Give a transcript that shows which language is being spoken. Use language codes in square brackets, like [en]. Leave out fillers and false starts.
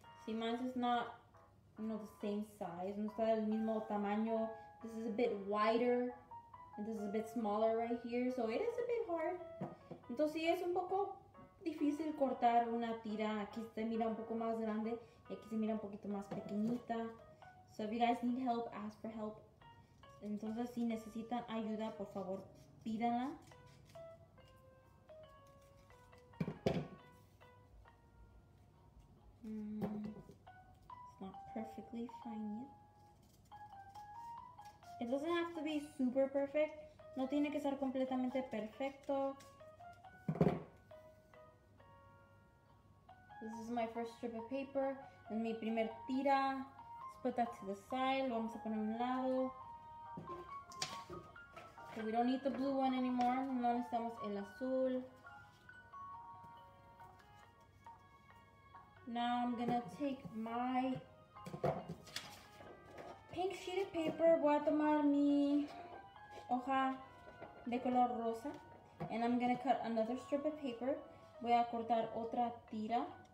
[en] See, mine's is not, you know, the same size. [es] No está del mismo tamaño. [en] This is a bit wider, and this is a bit smaller right here. So it is a bit hard. [es] Entonces, sí, es un poco difícil cortar una tira. Aquí se mira un poco más grande y aquí se mira un poquito más pequeñita. [en] So if you guys need help, ask for help. [es] Entonces, si necesitan ayuda, por favor, pídanla. [en] It's not perfectly fine yet. It doesn't have to be super perfect. [es] No tiene que ser completamente perfecto. [en] This is my first strip of paper. [es] En mi primer tira. [en] Let's put that to the side. [es] Lo vamos a poner a un lado. [en] Okay, we don't need the blue one anymore. [es] No necesitamos el azul. [en] Now I'm gonna take my pink sheet of paper. [es] Voy a tomar mi hoja de color rosa. [en] And I'm gonna cut another strip of paper. [es] Voy a cortar otra tira.